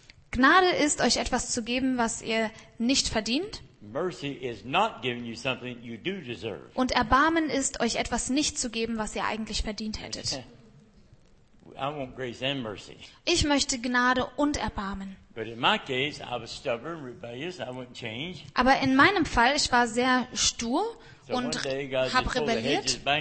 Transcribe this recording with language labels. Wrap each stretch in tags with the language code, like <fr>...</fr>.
<de>Gnade ist, euch etwas zu geben, was ihr nicht verdient.</de> <en>Mercy is not giving you something you do deserve.</en> <de>Und Erbarmen ist, euch etwas nicht zu geben, was ihr eigentlich verdient hättet.</de> <en>I want grace and mercy.</en> <de>Ich möchte Gnade und Erbarmen.</de> <en>But in my case, I was stubborn, rebellious. I wouldn't change.</en> <de>Aber in meinem Fall, ich war sehr stur und habe rebelliert.</de>